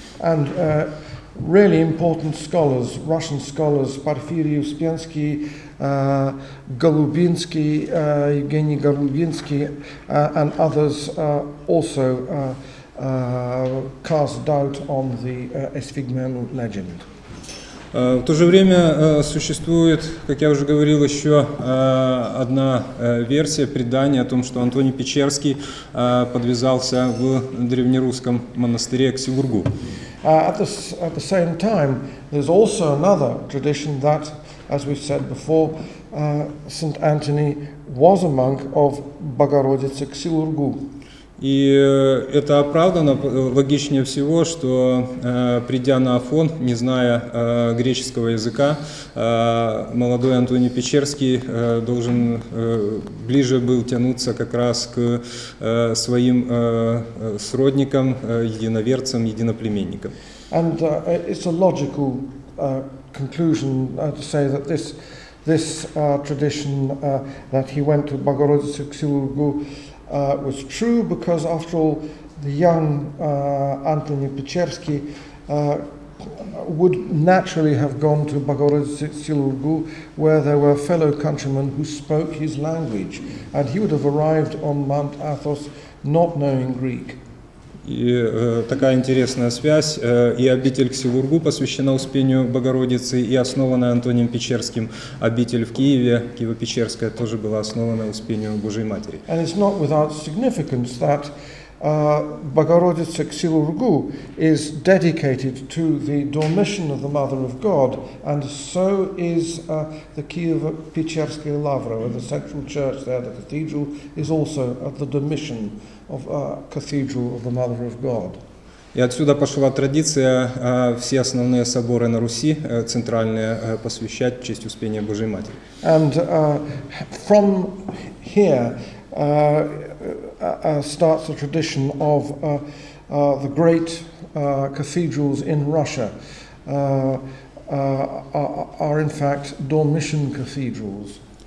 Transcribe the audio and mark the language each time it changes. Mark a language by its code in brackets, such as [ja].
[en] And really important scholars, Russian scholars, Порфирий Успенский, Голубинский, Евгений Голубинский, and others also cast doubt on the Эсфигмен legend. [ru] В то же время существует, как я уже говорил, еще одна версия предания о том, что Антоний Печерский подвязался в древнерусском монастыре Ксиургу. [en] At the same time, there's also another tradition that, as we said before, St. Anthony was a monk of Богородицы Ксиургу. [ru] И это оправдано, логичнее всего, что придя на Афон, не зная греческого языка, молодой Антоний Печерский должен ближе был тянуться как раз к своим сродникам, единоверцам, единоплеменникам. [en] And it's a logical conclusion to say that this tradition that he went to Богородицу Ксиургу was true because, after all, the young Antony Pechersky would naturally have gone to Bogorodice-Ksiurgu, where there were fellow countrymen who spoke his language, and he would have arrived on Mount Athos not knowing Greek. [ru] И такая интересная связь. И обитель к Сивургу посвящена Успению Богородицы, и основанная Антонием Печерским обитель в Киеве, Киево-Печерская, тоже была основана Успению Божьей Матери. [en] And it's not without significance that Богородица к Сивургу is dedicated to the Dormition of the Mother of God, and so is the Киево-Печерская Лавра, where the central church there, the cathedral, is also at the Dormition. Of a cathedral of the Mother of God. [ru] И отсюда пошла традиция все основные соборы на Руси центральные посвящать в честь Успения Божией Матери. [en] And from here starts the tradition of the great cathedrals in Russia are in fact Dormition cathedrals.